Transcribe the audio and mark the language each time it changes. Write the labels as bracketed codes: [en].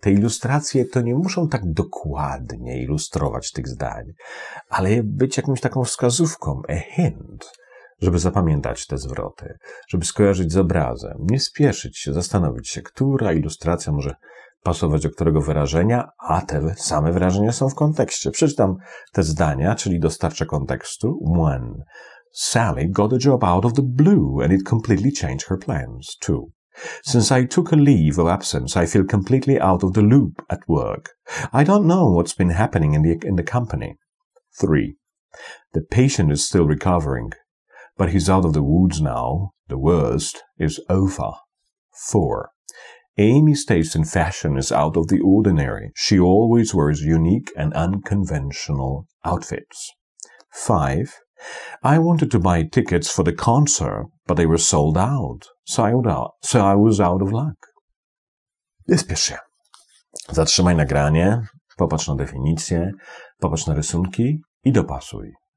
[pl] Te ilustracje to nie muszą tak dokładnie ilustrować tych zdań, ale być jakąś taką wskazówką, [en] a hint, [pl] żeby zapamiętać te zwroty, żeby skojarzyć z obrazem, nie spieszyć się, zastanowić się, która ilustracja może pasować do którego wyrażenia, a te same wyrażenia są w kontekście. Przeczytam te zdania, czyli dostarczę kontekstu. [en] One. Sally got a job out of the blue and it completely changed her plans. Two. Since I took a leave of absence, I feel completely out of the loop at work. I don't know what's been happening in the company. Three. The patient is still recovering, but he's out of the woods now. The worst is over. 4. Amy states in fashion is out of the ordinary. She always wears unique and unconventional outfits. 5. I wanted to buy tickets for the concert, but they were sold out. So I was out of luck. [pl] Spiesz się. Zatrzymaj nagranie, popatrz na definicję, popatrz na rysunki i dopasuj.